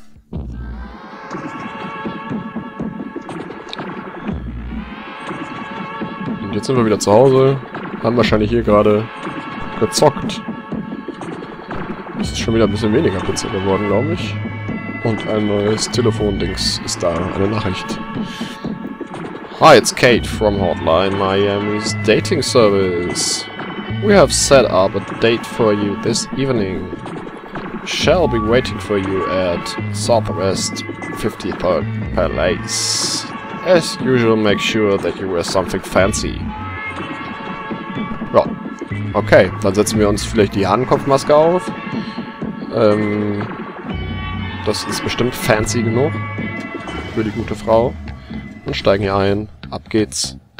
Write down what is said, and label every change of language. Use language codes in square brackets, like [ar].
[de] Und jetzt sind wir wieder zu Hause. Haben wahrscheinlich hier gerade... gezockt. Es ist schon wieder ein bisschen weniger PC geworden, glaube ich. Und ein neues Telefondings ist da, eine Nachricht. [en] Hi, it's Kate from Hotline Miami's Dating Service. We have set up a date for you this evening. Shall be waiting for you at Southwest 53rd Palace. As usual, make sure that you wear something fancy. [de] Okay, dann setzen wir uns vielleicht die Hahnenkopfmaske auf. Das ist bestimmt fancy genug für die gute Frau. Und steigen hier ein. Ab geht's.